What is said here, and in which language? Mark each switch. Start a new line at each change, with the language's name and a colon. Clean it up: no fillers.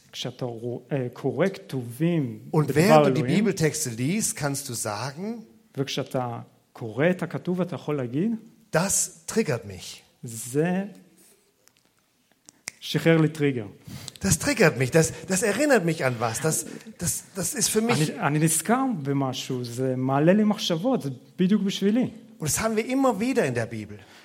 Hebrew: כשאתה קורא כתובים בדבר אלוהים,
German: und während du die Bibeltexte liest, kannst du sagen,
Hebrew: וכשאתה קורא את הכתוב, אתה יכול להגיד,
German: das triggert mich.
Hebrew: זה שחרר לי טריגר.
German: Das triggert mich, das erinnert mich an was, das ist für mich.
Hebrew: אני נזכר במשהו, זה מעלה לי מחשבות, זה בדיוק בשבילי.
German: Und das haben wir immer wieder in der Bibel.